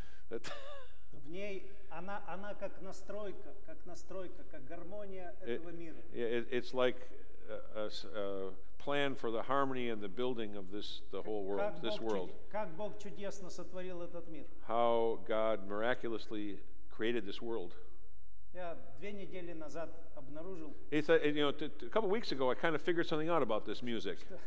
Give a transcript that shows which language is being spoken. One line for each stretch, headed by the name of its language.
Russian: В ней она как настройка, как настройка, как гармония этого мира.
English: It's like a plan for the harmony and the building of this world.
Russian: Как Бог чудесно сотворил этот мир.
English: How God miraculously created this world. He said, you know, a couple weeks ago, I kind of figured something out about this music.